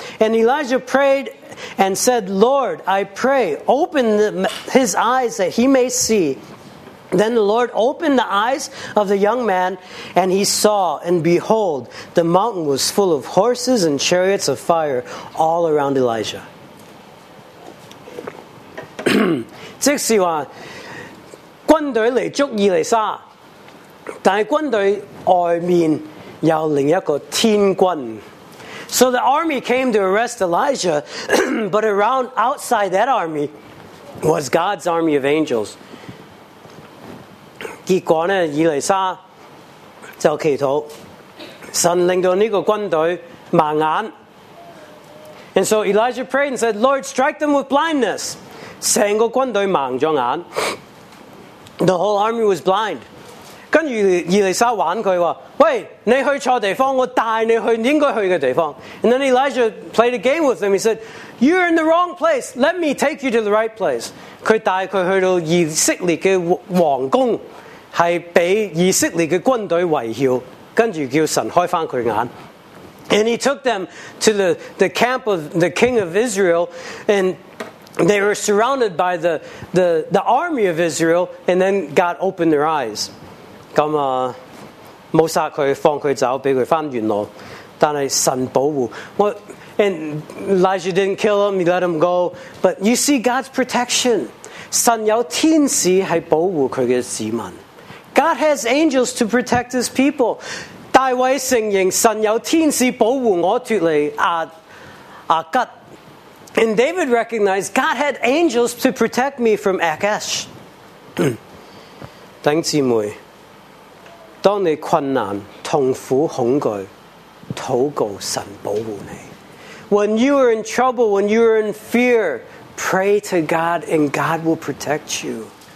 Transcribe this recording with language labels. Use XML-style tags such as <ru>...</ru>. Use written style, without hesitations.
<en>And Elijah prayed and said, Lord, I pray, open his eyes that he may seeThen the Lord opened the eyes of the young man, and he saw, and behold, the mountain was full of horses and chariots of fire all around Elijah.</en> <zh>即是说，军队来捉以利沙，但是军队外面有另一个天军。</zh> <en>So the army came to arrest Elijah, but around outside that army was God's army of angels.</en> <zh>结果呢，以利沙就祈祷，神令到这个军队盲眼。</zh> <en>And so Elijah prayed and said, Lord, strike them with blindness.</en> <zh>整个军队盲了眼。</zh> <en>The whole army was blind.</en> <zh>跟着以利沙玩他说，喂，你去错地方，我带你去应该去的地方。</zh> <en>And then Elijah played a game with him. He said, you're in the wrong place. Let me take you to the right place.</en> <zh>他带他去到以色列的王宫，是被以色列的军队围绕，跟着叫神开翻佢眼。</zh> <en>And he took them to the camp of the king of Israel, and they were surrounded by the army of Israel, and then God opened their eyes.</en> <zh>咁啊，冇杀佢，放佢走，俾佢翻原路，但系神保护我。</zh> <en>And Elijah didn't kill him, he let him go. But you see God's protection.</en> <zh>神有天使系保护佢嘅子民。</zh> <en>God has angels to protect his people.</en> <zh>大卫承认神有天使保护我脱离阿吉。</zh> <en>And David recognized God had angels to protect me from Achish.</en> <zh>弟兄姊妹，当你困难、痛苦、恐惧，祷告神保护你。</zh> <en>When you are in trouble, when you are in fear, pray to God and God will protect you.</en>